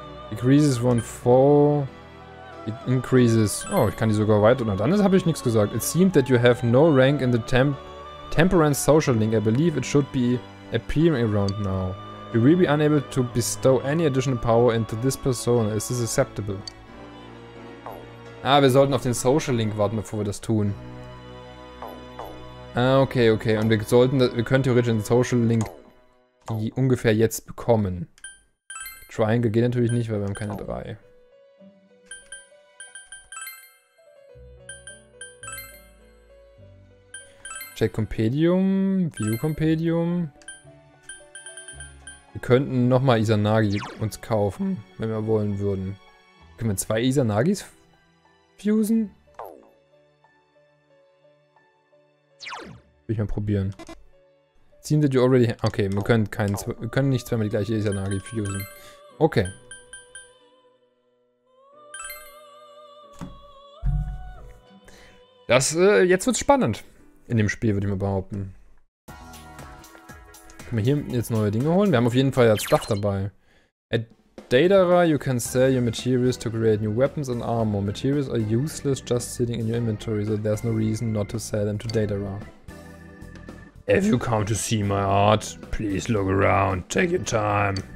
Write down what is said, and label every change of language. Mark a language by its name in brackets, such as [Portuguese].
[English] Decreases one foe. It increases. [German] Oh, ich kann die sogar weiter. Na dann habe ich nichts gesagt. [English] It seemed that you have no rank in the Temperance Social Link. I believe it should be appearing around now. You will be unable to bestow any additional power into this persona. Is this acceptable? [German] Ah, wir sollten auf den Social Link warten, bevor wir das tun. Ah, okay, okay. Und wir können theoretisch den Social Link die ungefähr jetzt bekommen. Triangle geht natürlich nicht, weil wir haben keine 3. [English] Check Compendium, View Compendium. [German] Wir könnten nochmal Izanagi uns kaufen, wenn wir wollen würden. Können wir 2 Izanagis fusen? Will ich mal probieren. [English] Seems that you already have. [German] Okay, wir können nicht zweimal die gleiche Izanagi fusen. Okay. Das, jetzt wird's spannend. In dem Spiel, würde ich mal behaupten. Können wir hier jetzt neue Dinge holen? Wir haben auf jeden Fall jetzt Stuff dabei. [English] At Daedara, you can sell your materials to create new weapons and armor. Materials are useless just sitting in your inventory, so there's no reason not to sell them to Daedara. If you come to see my art, please look around, take your time.